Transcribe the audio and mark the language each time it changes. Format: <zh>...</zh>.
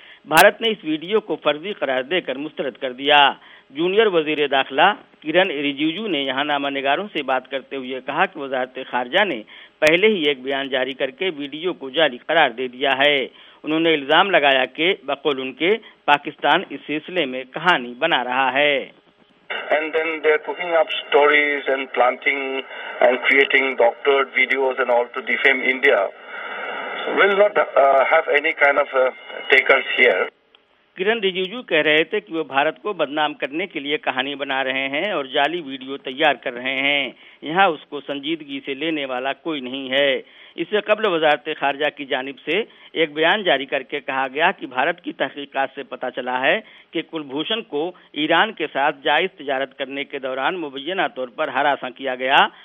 <hi>भारत ने इस वीडियो को फर्जी करार देकर मुस्तरद कर दिया। जूनियर वजीर दाखिला किरण रिजिजू ने यहाँ नामा निगारों से बात करते हुए कहा कि वजारत खारजा ने पहले ही एक बयान जारी करके वीडियो को जाली करार दे दिया है। उन्होंने इल्जाम लगाया कि बकौल उनके पाकिस्तान इस सिलसिले में कहानी बना रहा है।</hi> <en>and then they're cooking up stories and planting and creating doctored videos and all to defame India, will not have any kind of takers here.</en> <hi>किरण रिजिजू कह रहे थे कि वे भारत को बदनाम करने के लिए कहानी बना रहे हैं और जाली वीडियो तैयार कर रहे हैं. यहाँ उसको संजीदगी से लेने वाला कोई नहीं है. इससे कबल वजारत खारजा की जानिब से एक बयान जारी करके कहा गया कि भारत की तहकीकात से पता चला है कि कुलभूषण को ईरान के साथ जायज तजारत करने के दौरान मुबैना तौर पर हरासा किया गया.</hi>